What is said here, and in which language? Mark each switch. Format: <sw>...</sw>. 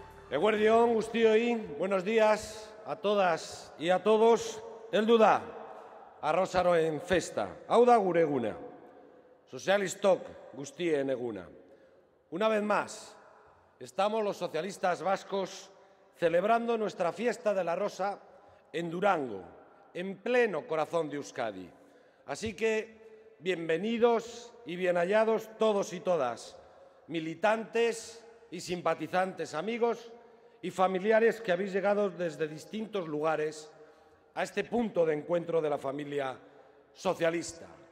<eu>Eguerdión, guztioi,</eu> <es>buenos días a todas y a todos.</es> <eu>Heldu da, arrozaroen festa. Hau da gure eguna. Sozialistok guztien eguna.</eu> <es>Una vez más, estamos los socialistas vascos celebrando nuestra fiesta de la rosa en Durango, en pleno corazón de Euskadi. Así que, bienvenidos y bien hallados todos y todas, militantes y simpatizantes, amigos y familiares que habéis llegado desde distintos lugares a este punto de encuentro de la familia socialista.</es>